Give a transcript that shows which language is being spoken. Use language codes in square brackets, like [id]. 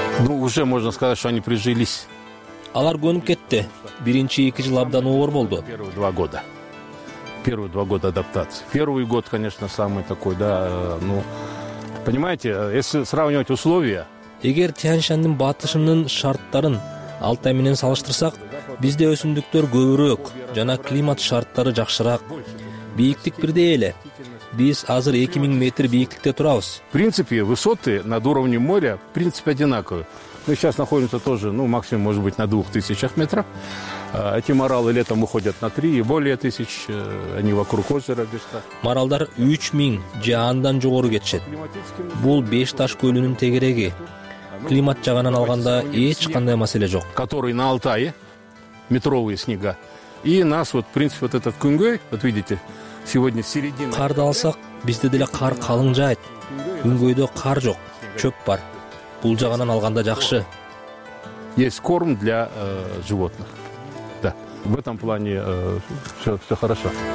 [ru] Уже можно сказать, что они прижились. [ky] Алар көнүп кетти. Биринчи 2 жыл абдан оор болду. [ru] Первые 2 года адаптации. Первый год, конечно, самый такой, да, ну, понимаете, если сравнивать условия. [ky] Эгер Тянь-Шаньдын батышынын шарттарын Алтай менен салыштырсак, бизде өсүмдүктөр көбүрөөк жана климат шарттары жакшыраак. Бийиктик бирдей эле. Биз азыр 2000 метр бийиктикте турабыз. [ru] В принципе, высоты над уровнем моря, в принципе, одинаковые. Мы сейчас находимся тоже, ну, максимум, может быть, на 2000 метров. Эти маралы летом уходят на 3 и более тысяч. Они вокруг озера Бешта. [ky] Маралдар 3000 же андан жогору кетишет. Бул Бешташ көлүнүн тегереги. Климат жагынан алганда эч кандай маселе жок. [ru] Который на Алтае, метровые снега. И нас, вот, в принципе, вот этот күнгөй, вот видите, сегодня середина. [ky] Карды алсак, бизде деле кар калың жайт. Күнгөйдө кар жок, чөп бар. Бул жагынан алганда жакшы. [ru] Есть корм для животных. Да. В этом плане все хорошо.